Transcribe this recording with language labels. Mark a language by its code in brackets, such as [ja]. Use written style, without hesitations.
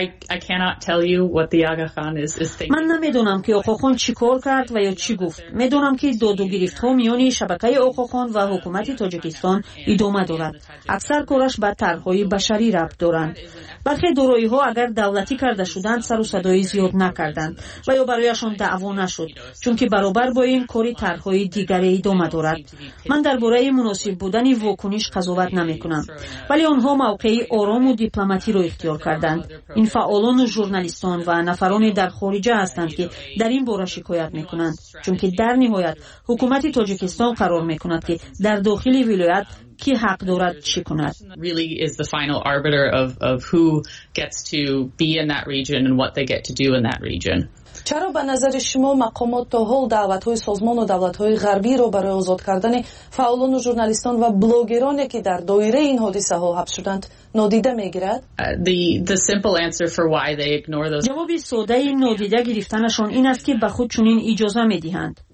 [en] I cannot tell you what the Aga Khan is thinking. [fa] من نمیدونم که آقاخان چی کار کرد و یا چی گفت. میدونم که داد و گرفت ها میان شبکه آقاخان و حکومت تاجیکستان ادامه دارد. اکثر کارش به طرح‌های بشری ربط دارند. برخی دارایی ها اگر دولتی کرده شدند سر و صدای زیاد نکردند و یا برایشان دعوا نشد، چون که برابر با این کاری طرح‌های دیگری ادامه دارد. من درباره مناسب بودن واکنش قضاوت نمیکنم، ولی آنها موقعی آرام و دیپلماتی را اختیار کردند. این فعالان و ژورنالیستان و نفران در خارجه هستند که در این باره شکایت میکنند، چون که در نهایت حکومت تاجیکستان قرار میکند که در داخل ولایت کی حق دارد چی کند. [en] Really is the final arbiter of who gets to be in that region and what they get to do in that region. [fa] چرا به نظر شما مقامات تا حال دعوت های سازمان و دولت های غربی را برای آزاد کردن فعالان و ژورنالیستان و بلاگرانی که در دایره این حادثه ها حبس شدند نادیده می گیرد؟ جواب ساده این نادیده گرفتنشان این است که به خود چنین اجازه می دهند.